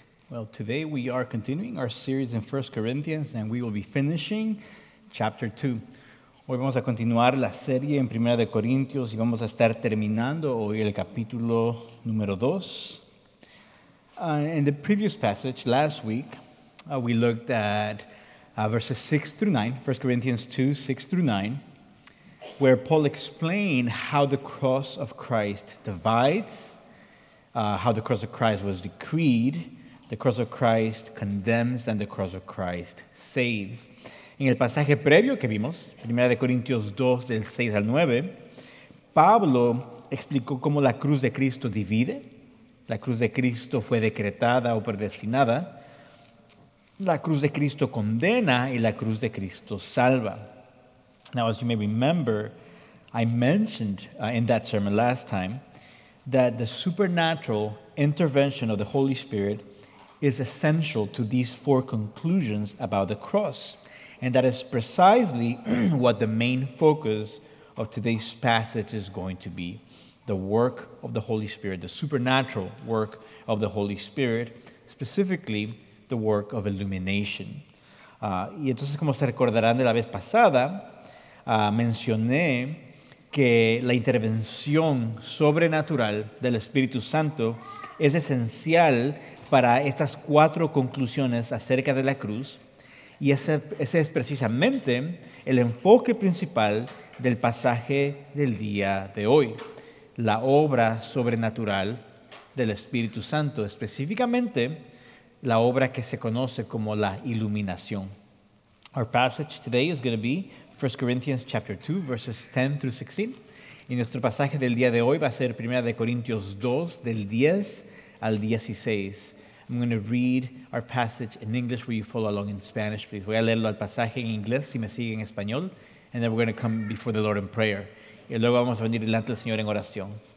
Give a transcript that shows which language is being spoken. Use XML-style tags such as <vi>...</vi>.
<en>Well, today we are continuing our series in 1 Corinthians, and we will be finishing chapter 2.</en> <es>Hoy vamos a continuar la serie en 1 de Corintios y vamos a estar terminando hoy el capítulo número 2.</es> <en>In the previous passage, last week, we looked at verses 6 through 9, 1 Corinthians 2, 6 through 9, where Paul explained how the cross of Christ divides, how the cross of Christ was decreed, the cross of Christ condemns, and the cross of Christ saves.</en> <es>En el pasaje previo que vimos, 1 Corintios 2, del 6 al 9, Pablo explicó cómo la cruz de Cristo divide. La cruz de Cristo fue decretada o predestinada. La cruz de Cristo condena y la cruz de Cristo salva.</es> <en>Now, as you may remember, I mentioned in that sermon last time that the supernatural intervention of the Holy Spirit is essential to these four conclusions about the cross. And that is precisely what the main focus of today's passage is going to be: the work of the Holy Spirit, the supernatural work of the Holy Spirit, specifically the work of illumination.</en> <es>Y entonces, como se recordarán de la vez pasada, mencioné que la intervención sobrenatural del Espíritu Santo es esencial para estas cuatro conclusiones acerca de la cruz, y ese es precisamente el enfoque principal del pasaje del día de hoy: la obra sobrenatural del Espíritu Santo, específicamente la obra que se conoce como la iluminación.</es> <en>Our passage today is going to be 1 Corinthians chapter 2, verses 10 through 16,</en> <es>y nuestro pasaje del día de hoy va a ser 1 Corintios 2, del 10 al 16.</es> <en>I'm going to read our passage in English. Will you follow along in Spanish, please?</en> <es>Voy a leerlo al pasaje en inglés, si me sigue en español.</es> <en>And then we're going to come before the Lord in prayer.</en> <es>Y luego vamos a venir delante del Señor en oración.</es>